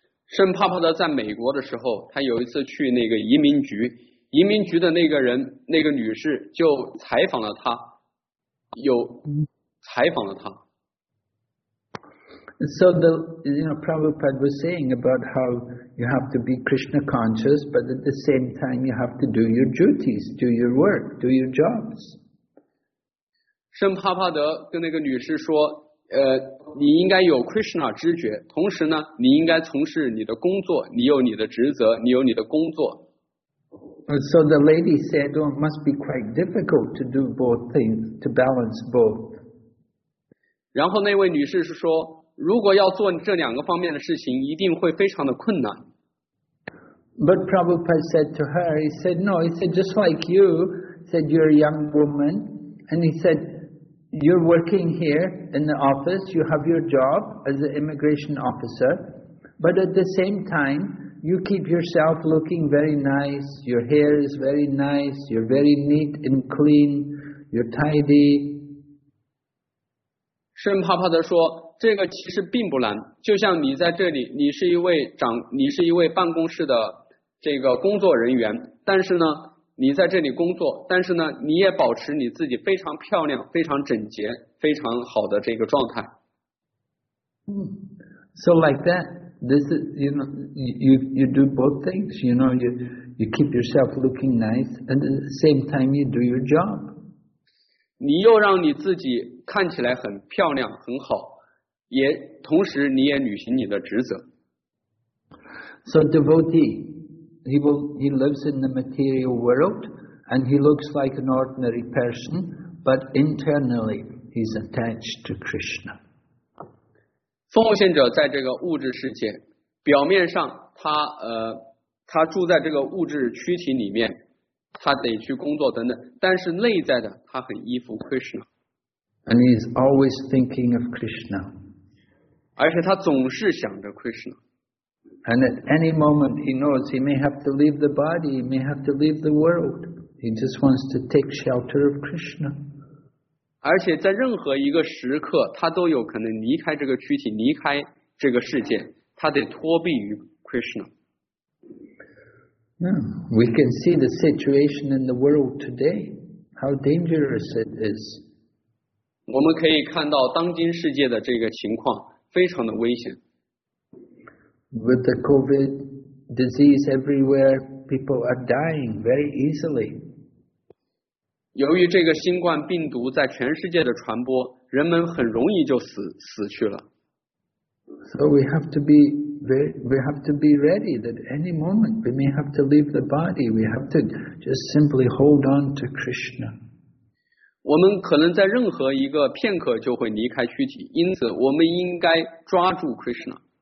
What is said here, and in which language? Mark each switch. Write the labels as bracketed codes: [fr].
[zh] 圣帕帕德在美国的时候，他有一次去那个移民局，移民局的那个人，那个女士就采访了他，有采访了他。 [en] So the, you know, Prabhupada was saying about how you have to be Krishna conscious, but at the same time you have to do your duties, do your work, do your jobs. [zh] 圣帕帕德跟那个女士说，你应该有 Krishna 知觉，同时呢，你应该从事你的工作，你有你的职责，你有你的工作。 [en] So the lady said, oh, it must be quite difficult to do both things, to balance both. [zh] 然后那位女士是说，如果要做这两个方面的事情，一定会非常的困难。 [en] But Prabhupada said to her, he said, no, he said, just like you, said you're a young woman, and he said, you're working here in the office, you have your job as an immigration officer, but at the same time, you keep yourself looking very nice, your hair is very nice, you're very neat and clean, you're tidy. [zh] 圣帕帕德说，这个其实并不难，就像你在这里，你是一位办公室的这个工作人员，但是呢，你在这里工作，但是呢，你也保持你自己非常漂亮、非常整洁、非常好的这个状态。 [en] So like that, this is, you know, you do both things, you know, you keep yourself looking nice, and at the same time you do your job. [zh] 你又让你自己看起来很漂亮、很好。也同时你也履行你的职责。 [en] So devotee, he lives in the material world, and he looks like an ordinary person, but internally he's attached to Krishna. [zh] 奉献者在这个物质世界，表面上他住在这个物质躯体里面，他得去工作等等，但是内在的他很依附 Krishna。 [en] And he is always thinking of Krishna. [zh] 而且他总是想着 Krishna。 [en] And at any moment he knows he may have to leave the body, he may have to leave the world. He just wants to take shelter of Krishna. [zh] 而且在任何一个时刻，他都有可能离开这个躯体，离开这个世界，他得脱避于 Krishna。 [en] Yeah, we can see the situation in the world today, how dangerous it is. [zh] 我们可以看到当今世界的这个情况非常的危险。 [en] With the COVID disease everywhere, people are dying very easily. [zh] 由于这个新冠病毒在全世界的传播，人们很容易就死去了。 [en] So we have to be ready that any moment we may have to leave the body. We have to just simply hold on to Krishna. [zh] 我们可能在任何一个片刻就会离开躯体，因此我们应该抓住 Krishna.